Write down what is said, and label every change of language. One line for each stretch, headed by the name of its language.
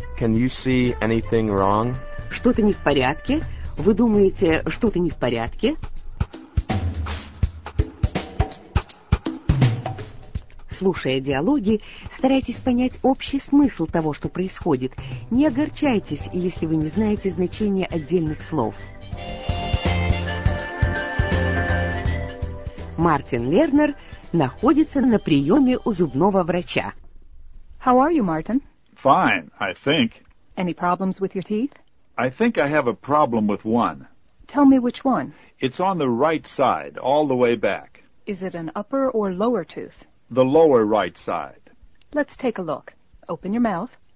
English: Can you see anything wrong?
Russian: Что-то не в порядке? Вы думаете, что-то не в порядке? Слушая диалоги, старайтесь понять общий смысл того, что происходит. Не огорчайтесь, если вы не знаете значения отдельных слов. Мартин Лернер находится на приеме у зубного врача.
English: How are you, Martin? Fine, I think. Any problems with your teeth? I think I have a problem with one. Tell me which one. It's on the right side, all the way back. Is it an upper or lower tooth? The lower right side. Let's take a look. Open your mouth.